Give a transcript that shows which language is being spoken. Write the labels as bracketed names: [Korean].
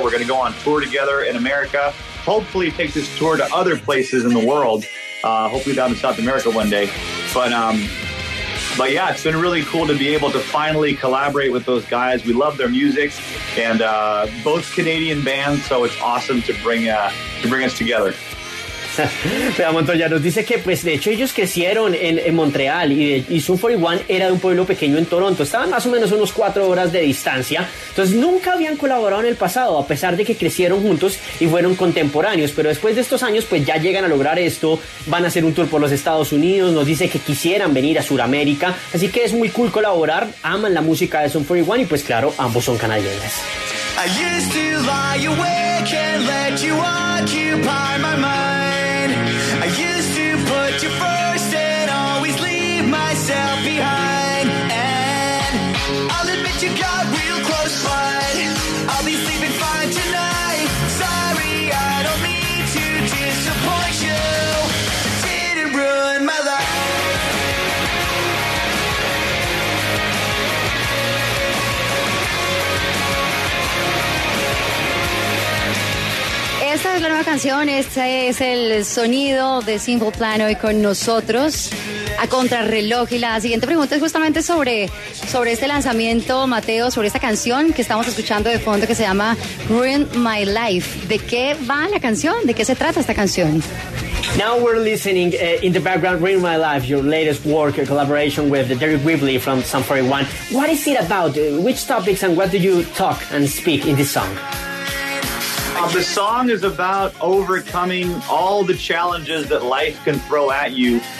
[English] We're going to go on tour together in America, hopefully take this tour to other places in the world, hopefully down in South America one day. But yeah, it's been really cool to be able to finally collaborate with those guys. We love their music, and both Canadian bands, so it's awesome to bring us together. [Spanish] Pero Montoya nos dice que, pues, de hecho, ellos crecieron en Montreal y Sum 41 era de un pueblo pequeño en Toronto. Estaban más o menos unos 4 horas de distancia. Entonces, nunca habían colaborado en el pasado, a pesar de que crecieron juntos y fueron contemporáneos. Pero después de estos años, pues, ya llegan a lograr esto. Van a hacer un tour por los Estados Unidos. Nos dice que quisieran venir a Sudamérica. Así que es muy cool colaborar. Aman la música de Sum 41 y, pues, claro, ambos son canadienses. [English] I used to lie awake and let you occupy my mind. I used to put you first and always leave myself behind. And I'll admit you got real close, but I'll be sleeping fine tonight. Sorry, I don't mean to disappoint you. Didn't ruin my life. [Spanish] Esta es la nueva canción, este es el sonido de Simple Plan hoy con nosotros a contrarreloj. Y la siguiente pregunta es justamente sobre este lanzamiento, Mateo, sobre esta canción que estamos escuchando de fondo que se llama Ruin My Life. ¿De qué va la canción? ¿De qué se trata esta canción? [English] Now we're listening in the background, Ruin My Life, your latest work, your collaboration with Derek Whibley from Sum 41. What is it about? Which topics and what do you talk and speak in this song? The song is about overcoming all the challenges that life can throw at you.